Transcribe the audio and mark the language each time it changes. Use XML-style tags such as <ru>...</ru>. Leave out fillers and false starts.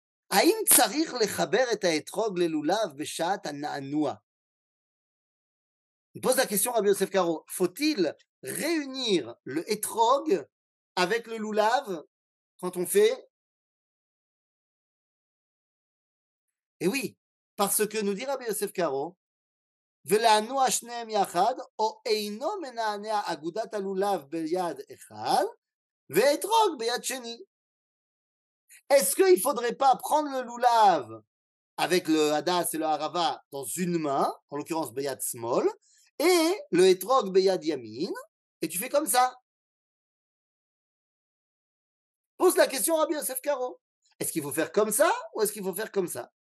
<he>Aïm tsarir le chaber et haetrog le lulav beshaat anaanua.</he> <fr>Il pose la question à Rabbi Yosef Karo. Faut-il réunir le etrog avec le lulav quand on fait? Et oui, parce que nous dit Rabbi Yosef Karo,</fr> <he>ולענוע שניהם יחד, או אינו מנענע אגודת הלולב ביד אחד, ואתרוג ביד שני.</he> <fr>Est-ce qu'il faudrait pas prendre le loulav avec le hadas et le harava dans une main, en l'occurrence</fr> <he>ביד שמאל,</he> <fr>et le etrog</fr> <he>ביד ימין,</he> <fr>et tu fais comme ça. Pose la question à Rabbi Yosef Karo. Est-ce qu'il faut faire comme ça, ou est-ce qu'il faut faire comme ça?</fr>